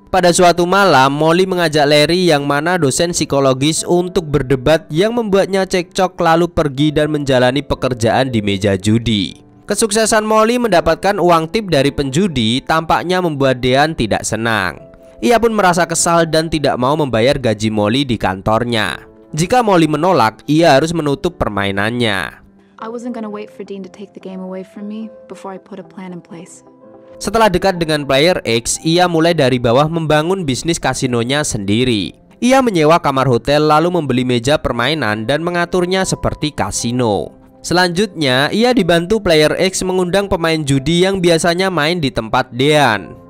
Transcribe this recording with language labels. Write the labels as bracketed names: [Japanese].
[Indonesian] Pada suatu malam, Molly mengajak Larry yang mana dosen psikologis untuk berdebat yang membuatnya cekcok lalu pergi dan menjalani pekerjaan di meja judi. Kesuksesan Molly mendapatkan uang tip dari penjudi tampaknya membuat Dean tidak senang. Ia pun merasa kesal dan tidak mau membayar gaji Molly di kantornya. Jika Molly menolak, ia harus menutup permainannya. [English] I wasn't gonna wait for Dean to take the game away from me before I put a plan in place. [Indonesian] Setelah dekat dengan Player X, ia mulai dari bawah membangun bisnis kasinonya sendiri. Ia menyewa kamar hotel lalu membeli meja permainan dan mengaturnya seperti kasino. Selanjutnya, ia dibantu player X mengundang pemain judi yang biasanya main di tempat Dean.